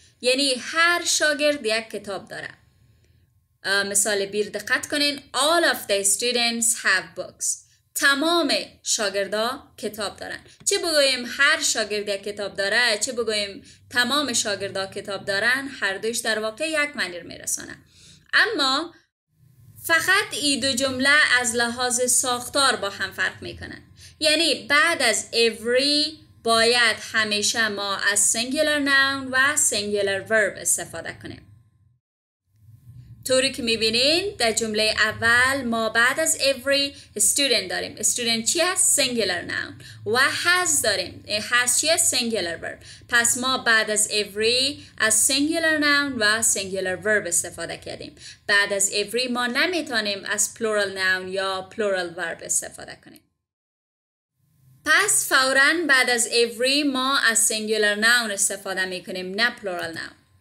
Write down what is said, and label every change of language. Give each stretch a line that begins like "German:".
Persian: یعنی هر شاگرد یک کتاب داره. مثال بیر دقت کنین.
English: All of the students have books.
Persian: تمام شاگردا کتاب دارن. چه بگویم هر شاگرد یک کتاب داره، چه بگویم تمام شاگردا کتاب دارن، هر دوش در واقع یک معنی می رسانن. اما فقط این دو جمله از لحاظ ساختار با هم فرق می کنن. یعنی بعد از every باید همیشه ما از singular noun و singular verb استفاده کنیم. طوری که میبینین در جمله اول ما بعد از every student داریم. Student چی هست؟ singular noun. و has داریم. Has چی هست؟ singular verb. پس ما بعد از every از singular noun و singular verb استفاده کردیم. بعد از every ما نمیتونیم از plural noun یا plural verb استفاده کنیم. پس فوراً بعد از every ما از singular noun استفاده میکنیم، نه plural noun.